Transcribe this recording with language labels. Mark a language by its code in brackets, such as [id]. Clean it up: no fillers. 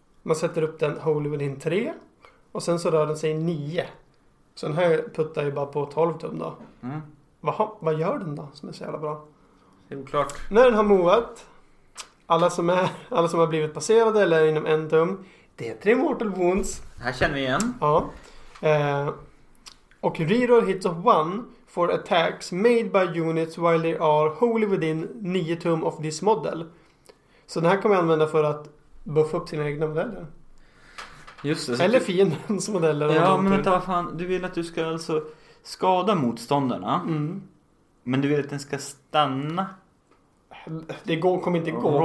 [sv] Man sätter upp den Holy Within 3. Och sen så rör den sig 9. Så den här puttar ju bara på 12 tum då. Mm. Vad gör den då, som är så jävla bra? Det är klart. När den har movat, alla som har blivit passerade eller är inom en tum, det är 3 mortal wounds. Här känner vi igen. Ja. [en] Och reroll hits of 1 for attacks made by units while they are wholly within 9 tum of this model. [sv] Så den här kan man använda för att buffa upp sina egna modeller. Just det. Eller fiendens modeller. Ja, men vänta, vad fan. Du vill att du ska alltså skada motståndarna. Mm. Men du vill att den ska stanna. Det kommer inte gå.